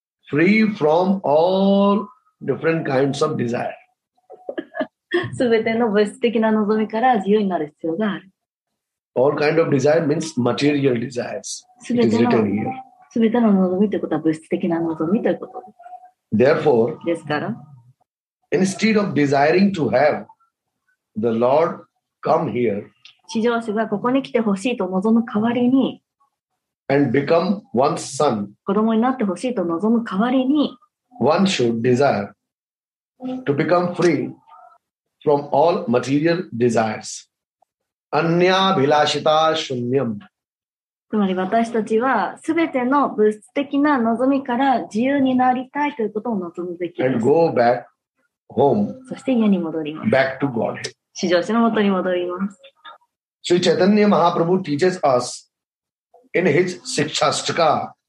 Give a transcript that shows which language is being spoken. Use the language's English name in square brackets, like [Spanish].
[English] Free from all different kinds of desire. [Japanese] 全ての物質的な望みから自由になる必要がある。 [English] All kind of desire means material desires. It is written here. [Japanese] すべての望みということは物質的な望みということです。 [English] Therefore, [Japanese] ですから、 [English] instead of desiring to have the Lord come here, [Japanese] 至上主がここに来てほしいと望む代わりに、 [English] and become one's son, [Japanese] 子供になってほしいと望む代わりに、 [English] one should desire to become free from all material desires. [Sanskrit] Anya bhilashita shunyam. [Japanese] つまり私たちはすべての物質的な望みから自由になりたいということを望むべきです。 [English] And go back home. [Japanese] そして家に戻ります。 [English] Back to Godhead. [Japanese] 至上主のもとに戻ります。 [English] Sri Chaitanya Mahaprabhu teaches us in his Shikshastaka.